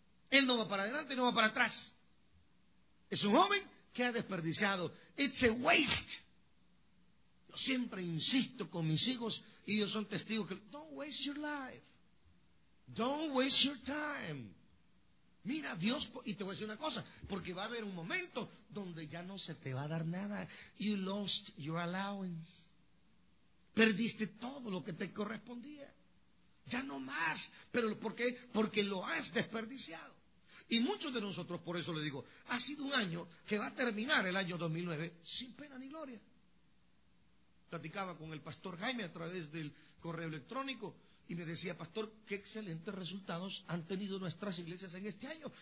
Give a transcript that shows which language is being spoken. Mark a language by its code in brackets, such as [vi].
[es] Él no va para adelante, no va para atrás. Es un joven que ha desperdiciado. [en] It's a waste. [es] Yo siempre insisto con mis hijos y ellos son testigos que [en] don't waste your life. Don't waste your time. [es] Mira, Dios, y te voy a decir una cosa, porque va a haber un momento donde ya no se te va a dar nada. [en] You lost your allowance. [es] Perdiste todo lo que te correspondía. Ya no más. ¿Pero por qué? Porque lo has desperdiciado. Y muchos de nosotros, por eso le digo, ha sido un año que va a terminar el año 2009 sin pena ni gloria. Platicaba con el pastor Jaime a través del correo electrónico y me decía: pastor, qué excelentes resultados han tenido nuestras iglesias en este año.